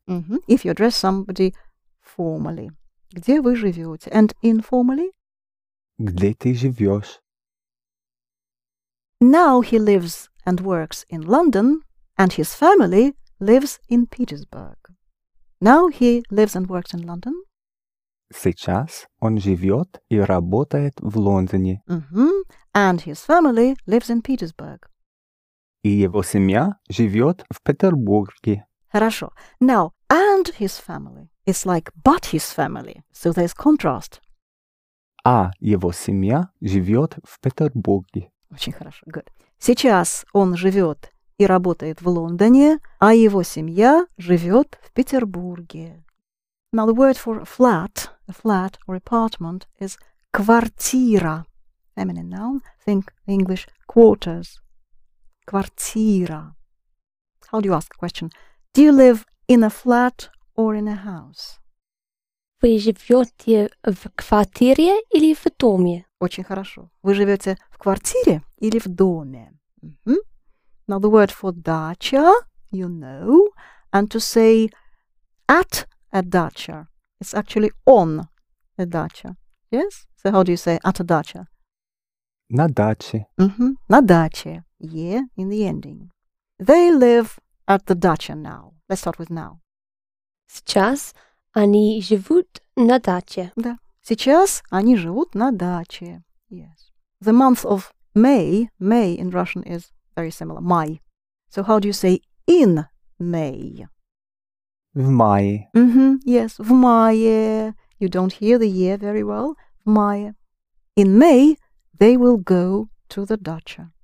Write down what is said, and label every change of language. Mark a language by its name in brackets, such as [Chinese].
[English] Mm-hmm. If you address somebody formally. [Russian] Где вы живете? [English] And informally? [Russian] Где ты живешь? [English] Now he lives and works in London, and his family lives in Petersburg. Now he lives and works in London. [Russian] Сейчас он живет и работает в Лондоне. [English] Mm-hmm. And his family lives in Petersburg. [Russian] И его семья живет в Петербурге. Хорошо. [English] Now, and his family. It's like, but his family. So there's contrast. [Russian] А его семья живет в Петербурге. Очень хорошо. [English] Good. [Russian] Сейчас он живет и работает в Лондоне, а его семья живет в Петербурге. [English] Now, the word for a flat or apartment, is квартира. Feminine noun. Think English quarters. Квартира. How do you ask the question? Do you live in a flat or in a house? [Russian] Вы живете в квартире или в доме? Очень хорошо. Вы живете в квартире или в доме? Mm-hmm. [English] Now the word for dacha, you know, and to say at a dacha, it's actually on a dacha. Yes? So how do you say at a dacha? [Russian] На даче. [English] Mm-hmm. [Russian] На даче. [English] Yeah, in the ending. They live at the dacha now. Let's start with now. [Russian] Сейчас они живут на даче. Да. Сейчас они живут на даче. [English] Yes. The month of May in Russian is very similar. May. So how do you say in May? [Russian] В мае. [English] Mm-hmm. Yes, [Russian] в мае. [English] You don't hear the year very well. [Russian] В мае. [English] In May, they will go to the dacha.